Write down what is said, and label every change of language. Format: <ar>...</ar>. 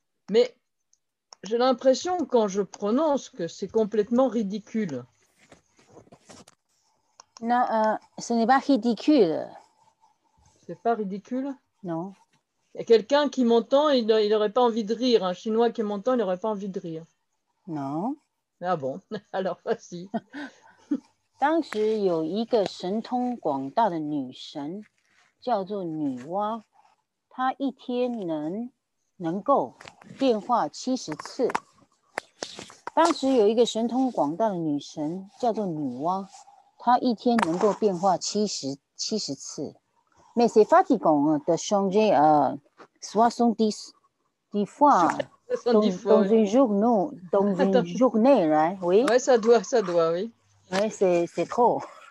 <fr>Mais j'ai l'impression quand je prononce que c'est complètement ridicule. Non, ce n'est pas ridicule. C'est pas ridicule? Non. Il y a quelqu'un qui m'entend, il n'aurait pas envie de rire. Un Chinois qui m'entend, il n'aurait pas envie de rire. Non. Ah bon, alors vas-y.</fr> <zh>当时有一个神通广大的女神，叫做女娲。她一天能够变化70次。当时有一个神通广大的女神，叫做女娲。她一天能够变化七十次。</zh> <fr>Mais c'est fatigant de changer à 70 fois dans une journée, right? Oui. Ouais, ça doit, oui. Ouais, c'est trop.</fr>